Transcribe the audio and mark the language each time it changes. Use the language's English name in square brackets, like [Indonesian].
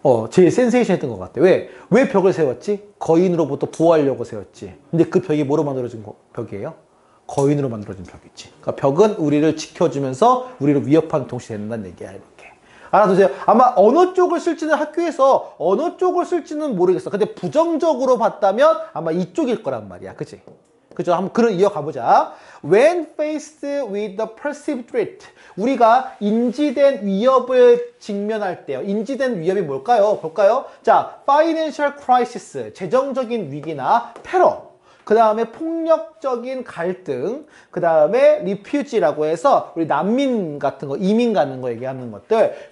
[Korean] 제일 센세이션 했던 것 같아요. 왜? 왜 벽을 세웠지? 거인으로부터 보호하려고 세웠지. 근데 그 벽이 뭐로 만들어진 벽이에요? 거인으로 만들어진 벽이지. 그러니까 벽은 우리를 지켜주면서 우리를 위협한 동시에 된다는 얘기야, 이렇게. 알아두세요. 아마 어느 쪽을 쓸지는 학교에서 어느 쪽을 쓸지는 모르겠어. 근데 부정적으로 봤다면 아마 이쪽일 거란 말이야. 그치? 그죠? 한번 글을 이어가보자. [English] When faced with the perceived threat. [Korean] 우리가 인지된 위협을 직면할 때요. 인지된 위협이 뭘까요? 볼까요? 자, financial crisis. 재정적인 위기나 테러. 그 다음에 폭력적인 갈등, 그 다음에 리퓨지라고 해서 우리 난민 같은 거, 이민 가는 거 얘기하는 것들.